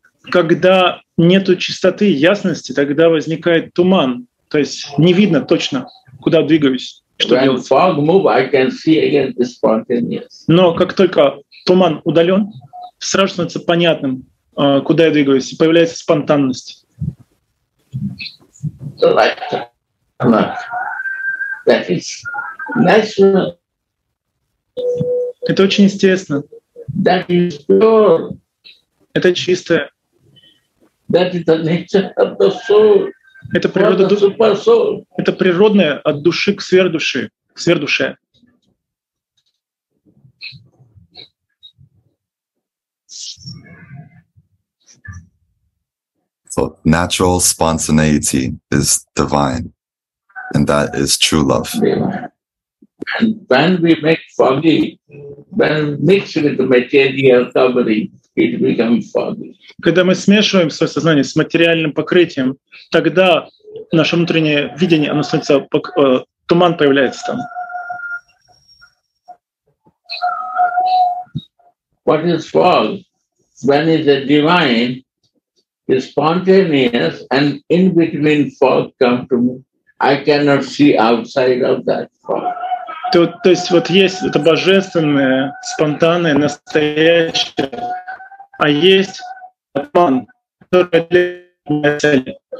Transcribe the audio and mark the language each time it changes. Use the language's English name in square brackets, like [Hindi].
[Russian] Когда нету чистоты и ясности, тогда возникает туман, то есть не видно точно, куда двигаюсь, что делать. [English] When fog move, I can see again the spontaneous. [Russian] Но как только туман удален, сразу становится понятным, куда я двигаюсь, и появляется спонтанность. [English] Like That is natural. [Russian] Это очень естественно. [English] That is pure. [Russian] Это чистое. [English] That is the nature of the soul. [Russian] Это природа души. Это природное от души к сверхдуше. К сверхдуше. [English] So natural spontaneity is divine, and that is true love. And when we make foggy, when mixed with the material covering, it becomes foggy. [Russian] Когда мы смешиваем свое сознание с материальным покрытием, тогда наше внутреннее видение, оно становится туман появляется там. [English] What is fog? When is a divine? Is spontaneous and in between fog come to me. I cannot see outside of that fog. [Russian] То есть вот есть это божественное, спонтанное, настоящее, а есть обман, который для меня цели.